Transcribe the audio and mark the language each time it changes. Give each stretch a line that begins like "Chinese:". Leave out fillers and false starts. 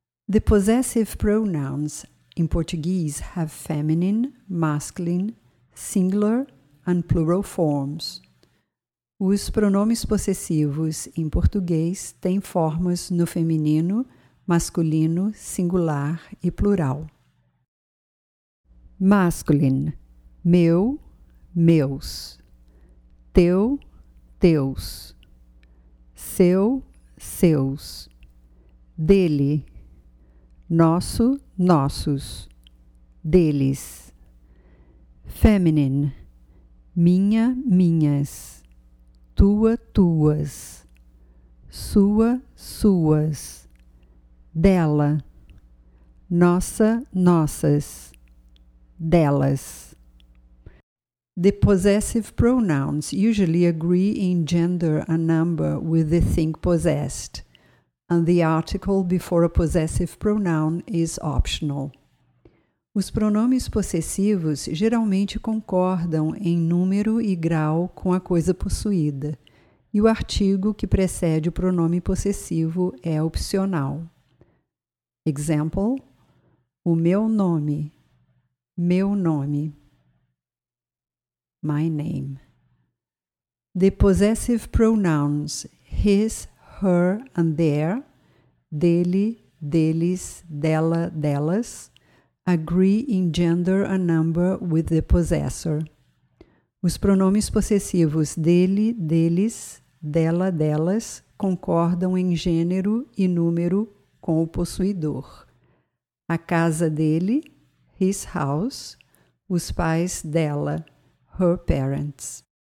English: The possessive pronouns in Portuguese have feminine, masculine, singular and plural forms.
Portuguese: Os pronomes possessivos em português têm formas no feminino, masculino, singular e plural. Masculine. Meu, meus. Teu, teus. Seu, seus. dele, nosso, nossos, deles. Feminine, minha, minhas, tua, tuas, sua, suas, dela, nossa, nossas, delas.
English: The possessive pronouns usually agree in gender and number with the thing possessed, and the article before a possessive pronoun is optional.
Portuguese: Os pronomes possessivos geralmente concordam em número e grau com a coisa possuída, e o artigo que precede o pronome possessivo é opcional. Example: o meu nome, meu nome.
English: My name. The possessive pronouns his, her, and their, dele, deles, dela, delas, agree in gender and number with the possessor.
Portuguese: Os pronomes possessivos dele, deles, dela, delas, concordam em gênero e número com o possuidor. A casa dele,
English: his house,
Portuguese: os pais dela,
English: her parents.